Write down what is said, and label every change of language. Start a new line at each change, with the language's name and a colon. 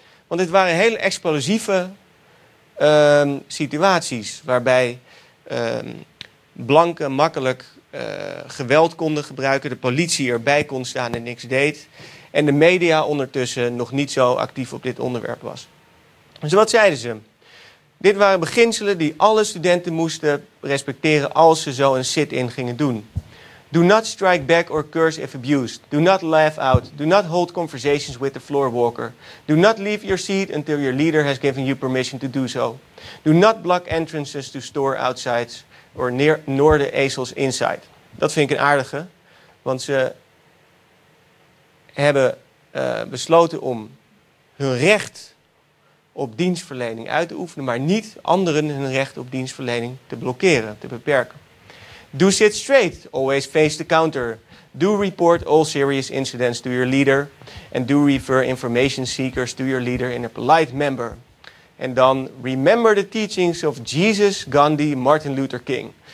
Dutch: Want dit waren hele explosieve situaties waarbij blanken makkelijk geweld konden gebruiken, de politie erbij kon staan en niks deed en de media ondertussen nog niet zo actief op dit onderwerp was. Dus wat zeiden ze? Dit waren beginselen die alle studenten moesten respecteren als ze zo een sit-in gingen doen.
English: Do not strike back or curse if abused. Do not laugh out. Do not hold conversations with the floor walker. Do not leave your seat until your leader has given you permission to do so. Do not block entrances to store outside or near, nor the ezels inside.
Dutch: Dat vind ik een aardige, want ze hebben besloten om hun recht op dienstverlening uit te oefenen, maar niet anderen hun recht op dienstverlening te blokkeren, te beperken.
English: Do sit straight, always face the counter. Do report all serious incidents to your leader. And do refer information seekers to your leader in a polite manner. And then remember the teachings of Jesus, Gandhi, Martin Luther King.